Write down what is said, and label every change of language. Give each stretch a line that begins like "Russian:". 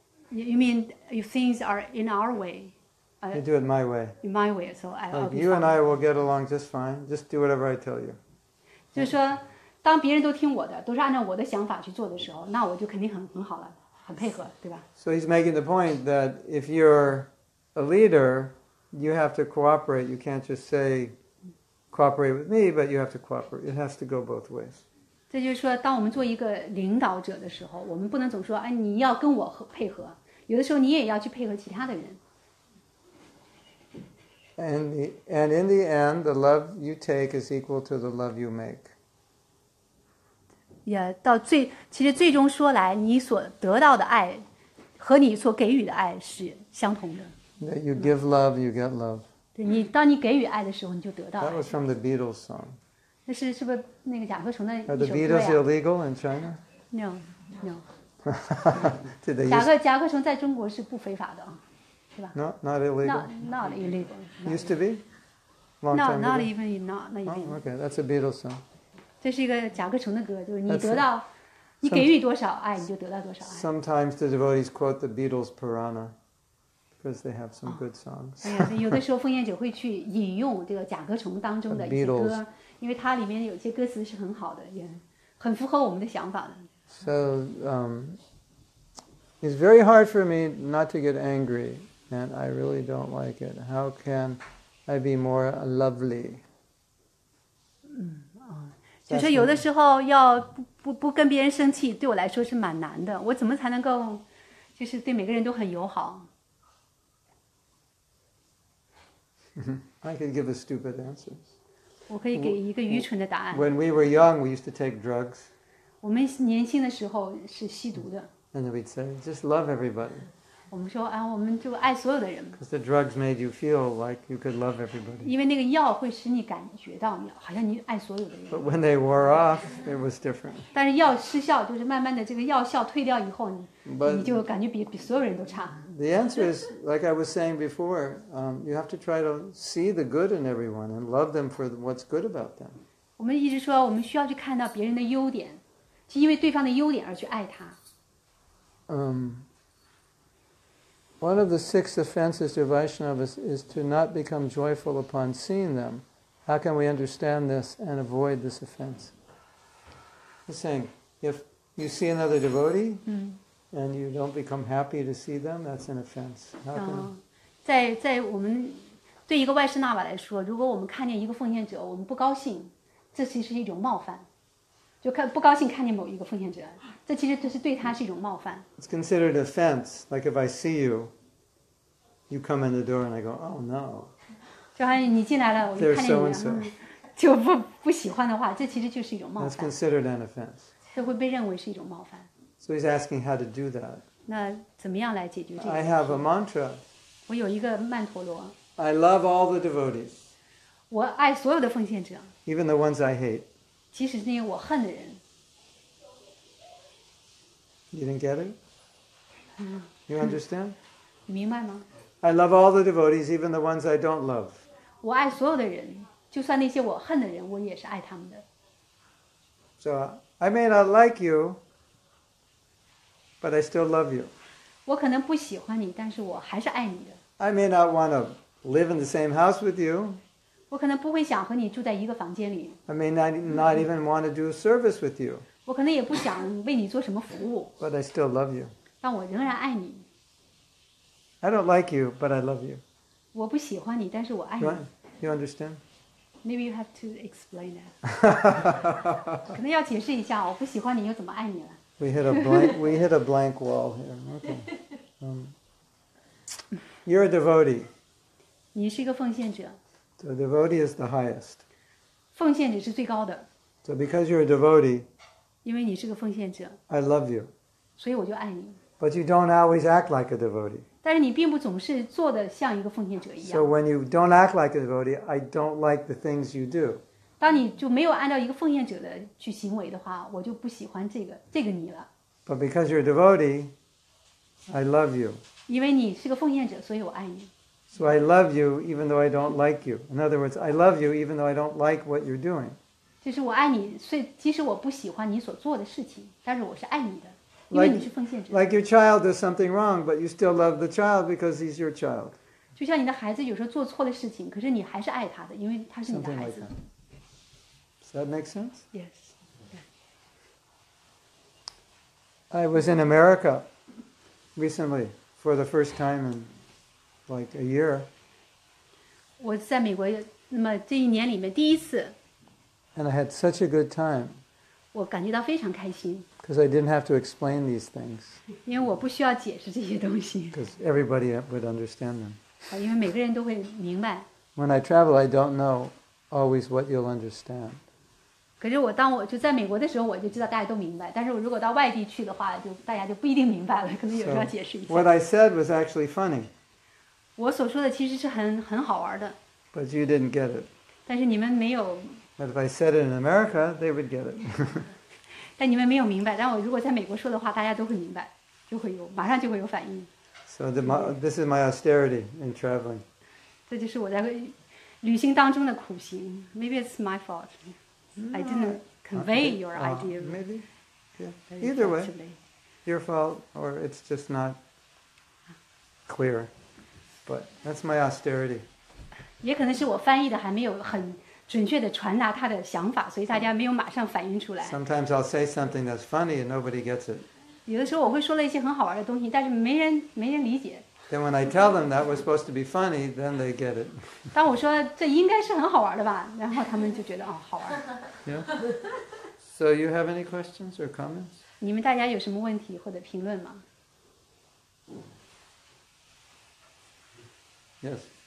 English: You mean if things are in our way? You do it my way. In my way, so I'll be fine. You and I will get along just fine. Just do whatever I tell you.
Chinese: 就是说，当别人都听我的，都是按照我的想法去做的时候，那我就肯定很好了，很配合，对吧？
English: So he's making the point that if you're a leader, you have to cooperate. You can't just say, cooperate with me, but you have to cooperate. It has to go both ways.
Chinese: 这就是说，当我们做一个领导者的时候，我们不能总说，哎，你要跟我配合。有的时候，你也要去配合其他的人。
English: And in the end, the love you take is equal to the love you make.
Chinese: Yeah, 到最，其实最终说来，你所得到的爱和你所给予的爱是相同的。
English: You give love, you get love.
Chinese: 对你，当你给予爱的时候，你就得到爱。
English: That was from the Beatles song.
Chinese: 那是是不是那个甲壳虫的一首歌呀
English: ？Are the Beatles illegal in China? No, no. Did they?
Chinese: 甲壳虫在中国是不非法的，是吧
English: ？Not illegal. Not illegal. Used to be. No, not even. Okay, that's a Beatles song.
Chinese: 这是一个甲壳虫的歌，就是你得到。你给予多少爱，你就得到多少爱。
English: Sometimes the devotees quote the Beatles' Purana because they have some good songs.
Chinese: 有的时候枫叶姐会去引用这个甲壳虫当中的一些歌，因为它里面有些歌词是很好的，也很符合我们的想法的。
English: So, it's very hard for me not to get angry, and I really don't like it. How can I be more lovely?
Chinese: 就是有的时候要不跟别人生气，对我来说是蛮难的。我怎么才能够，就是对每个人都很友好
English: ？I could give a stupid answer.
Chinese: 我可以给一个愚蠢的答案。
English: When we were young, we used to take drugs.
Chinese: 我们年轻的时候是吸毒的。
English: And then we'd say, just love everybody.
Chinese: 我们说啊，我们就爱所有的人。
English: Because the drugs made you feel like you could love everybody.
Chinese: 因为那个药会使你感觉到你好像你爱所有的人。
English: But when they wore off, it was different.
Chinese: 但是药失效，就是慢慢的这个药效退掉以后，你就感觉比所有人都差。
English: The answer is, like I was saying before, you have to try to see the good in everyone and love them for what's good about them.
Chinese: 我们一直说，我们需要去看到别人的优点，就因为对方的优点而去爱他。
English: One of the six offenses to Vaishnavas is to not become joyful upon seeing them. How can we understand this and avoid this offense? He's saying, if you see another devotee and you don't become happy to see them, that's an offense. How can?
Chinese: 在我们对一个外施那瓦来说，如果我们看见一个奉献者，我们不高兴，这其实是一种冒犯。就看不高兴看见某一个奉献者，这其实就是对他是一种冒犯。
English: It's considered offense. Like if I see you, you come in the door and I go, oh no.
Chinese: 就好像你进来了，我就看见你了，就不喜欢的话，这其实就是一种冒犯。
English: That's considered an offense.
Chinese: 这会被认为是一种冒犯。
English: So he's asking how to do that.
Chinese: 那怎么样来解决这个？
English: I have a mantra.
Chinese: 我有一个曼陀罗。
English: I love all the devotees.
Chinese: 我爱所有的奉献者。
English: Even the ones I hate.
Chinese: 即使是那些我恨的人。
English: You didn't get it? You understand?
Chinese: 你明白吗
English: ？I love all the devotees, even the ones I don't love.
Chinese: 我爱所有的人，就算那些我恨的人，我也是爱他们的。
English: So I may not like you, but I still love you.
Chinese: 我可能不喜欢你，但是我还是爱你的。
English: I may not want to live in the same house with you.
Chinese: 我可能不会想和你住在一个房间里。
English: I may not even want to do service with you.
Chinese: 我可能也不想为你做什么服务。
English: But I still love you.
Chinese: 但我仍然爱你。
English: I don't like you, but I love you.
Chinese: 我不喜欢你，但是我爱你。
English: You understand? Maybe you have to explain that.
Chinese: 可能要解释一下，我不喜欢你又怎么爱你了
English: ？We hit a blank wall here. Okay. You're a devotee.
Chinese: 你是一个奉献者。
English: So devotee is the highest.
Chinese: 奉献者是最高的。
English: So because you're a devotee,
Chinese: 因为你是个奉献者
English: I love you.
Chinese: 所以我就爱你。
English: But you don't always act like a devotee.
Chinese: 但是你并不总是做的像一个奉献者一样。
English: So when you don't act like a devotee, I don't like the things you do.
Chinese: 当你就没有按照一个奉献者的去行为的话，我就不喜欢这个你了。
English: But because you're a devotee, I love you.
Chinese: 因为你是个奉献者，所以我爱你。
English: So I love you even though I don't like you. In other words, I love you even though I don't like what you're doing.
Chinese: 就是我爱你，所以即使我不喜欢你所做的事情，但是我是爱你的，因为你是奉献者。
English: Like your child does something wrong, but you still love the child because he's your child.
Chinese: 就像你的孩子有时候做错了事情，可是你还是爱他的，因为他是你的孩子。
English: Something like that. Does that make sense? Yes. Yeah. I was in America recently for the first time in. Like a year.
Chinese: 我在美国，那么这一年里面第一次。
English: And I had such a good time.
Chinese: 我感觉到非常开心。
English: Because I didn't have to explain these things.
Chinese: 因为我不需要解释这些东西。
English: Because everybody would understand them.
Chinese: 因为每个人都会明白。
English: When I travel, I don't know always what you'll understand.
Chinese: 可是我当我就在美国的时候，我就知道大家都明白。但是我如果到外地去的话，就大家就不一定明白了，可能有时候要解释一下。
English: What I said was actually funny.
Chinese: 我所说的其实是很好玩的。
English: But you didn't get it.
Chinese: 但是你们没有。
English: But if I said it in America, they would get it.
Chinese: 但你们没有明白，但我如果在美国说的话，大家都会明白，就会有，马上就会有反应。
English: So this is my austerity in traveling.
Chinese: 这就是我在旅行当中的苦行。
English: Maybe it's my fault. I didn't convey your idea. Maybe. Yeah. Either way, your fault or it's just not clear. But that's my austerity.
Chinese: 也可能是我翻译的还没有很准确地传达他的想法，所以大家没有马上反应出来。
English: Sometimes I'll say something that's funny and nobody gets it.
Chinese: 有的时候我会说了一些很好玩的东西，但是没人理解。
English: Then when I tell them that was supposed to be funny, then they get it.
Chinese: 当我说这应该是很好玩的吧，然后他们就觉得哦好玩。
English: Yeah. So you have any questions or comments?
Chinese: 你们大家有什么问题或者评论吗？
English: Yes.